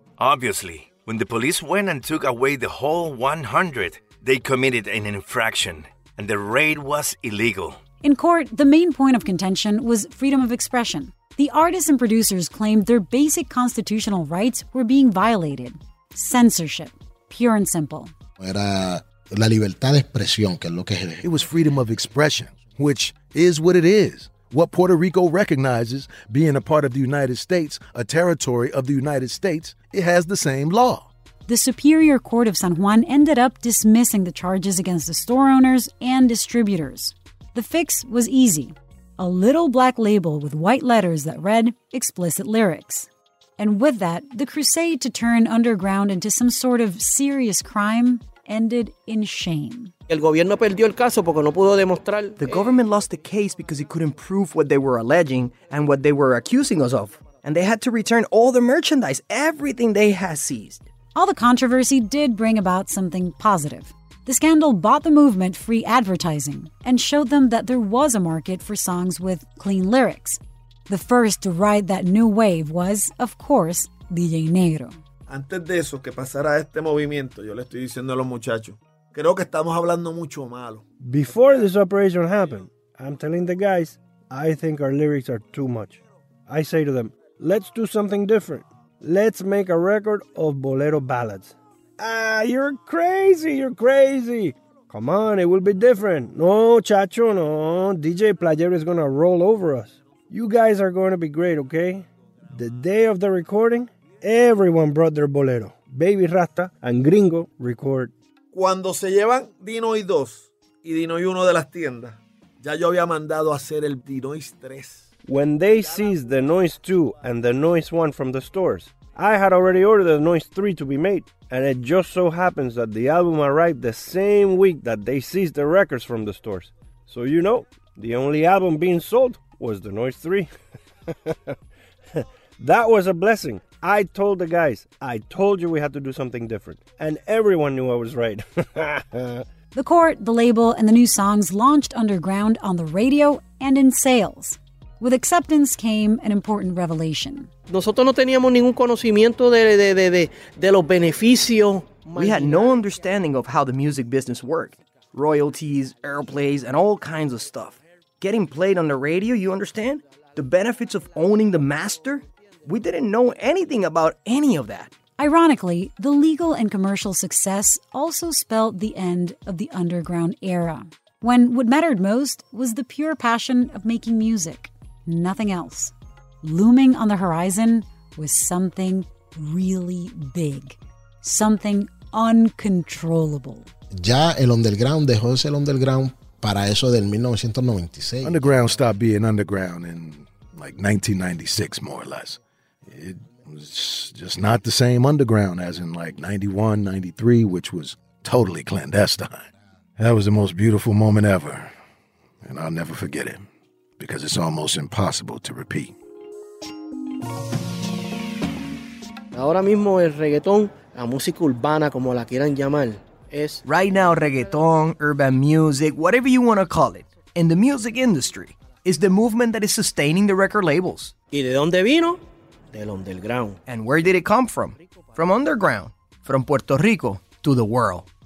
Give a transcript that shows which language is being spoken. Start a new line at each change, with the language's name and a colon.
English: Obviously, when the police went and took away the whole 100, they committed an infraction, and the raid was illegal. In court, the main point of contention was freedom of expression. The artists and producers claimed their basic constitutional rights were being violated. Censorship, pure and simple.
Spanish: Era la libertad de expresión, que es lo que es.
English: It was freedom of expression, which is what it is. What Puerto Rico recognizes, being a part of the United States, a territory of the United States, it has the same law. The Superior Court of San Juan ended up dismissing the charges against the store owners and distributors. The fix was easy. A little black label with white letters that read explicit lyrics. And with that, the crusade to turn underground into some sort of serious crime ended in shame.
Spanish: El gobierno perdió el caso porque no pudo demostrar.
English: The government lost the case because it couldn't prove what they were alleging and what they were accusing us of. And they had to return all the merchandise, everything they had seized. All the controversy did bring about something positive. The scandal bought the movement free advertising and showed them that there was a market for songs with clean lyrics. The first to ride that new wave was, of course, DJ Negro.
Spanish: Antes de eso, que pasara este movimiento, yo le estoy diciendo a los muchachos, creo que estamos hablando mucho malo.
English: Before this operation happened, I'm telling the guys, I think our lyrics are too much. I say to them, let's do something different. Let's make a record of bolero ballads. Ah, you're crazy, you're crazy. Come on, it will be different. No, chacho, no. DJ Playero is gonna roll over us. You guys are gonna be great, okay? The day of the recording, everyone brought their bolero. Baby Rasta and Gringo record.
Spanish: Cuando se llevan Dinoy 2 y Dinoy 1 de las tiendas, ya yo había mandado a hacer el Dinoy 3.
English: When they seized the Noise 2 and the Noise 1 from the stores, I had already ordered the Noise 3 to be made. And it just so happens that the album arrived the same week that they seized the records from the stores. So you know, the only album being sold was the Noise 3. That was a blessing. I told the guys, I told you we had to do something different. And everyone knew I was right. The court, the label, and the new songs launched underground on the radio and in sales. With acceptance came an important revelation.
Spanish: Nosotros no teníamos ningún conocimiento de los beneficios.
English: We had no understanding of how the music business worked. Royalties, airplays, and all kinds of stuff. Getting played on the radio, you understand? The benefits of owning the master? We didn't know anything about any of that. Ironically, the legal and commercial success also spelled the end of the underground era, when what mattered most was the pure passion of making music. Nothing else. Looming on the horizon was something really big. Something uncontrollable.
Spanish: Ya el underground dejó de ser underground para eso del 1996.
English: Underground stopped being underground in like 1996, more or less. It was just not the same underground as in like 91, 93, which was totally clandestine. That was the most beautiful moment ever. And I'll never forget it. Because it's almost impossible to repeat.
Spanish: Ahora mismo el reggaetón, la música urbana, como la quieran llamar, es...
English: Right now, reggaetón, urban music, whatever you want to call it, in the music industry, is the movement that is sustaining the record labels.
Spanish: ¿Y de dónde vino? Del underground.
English: And where did it come from? From underground. From Puerto Rico to the world.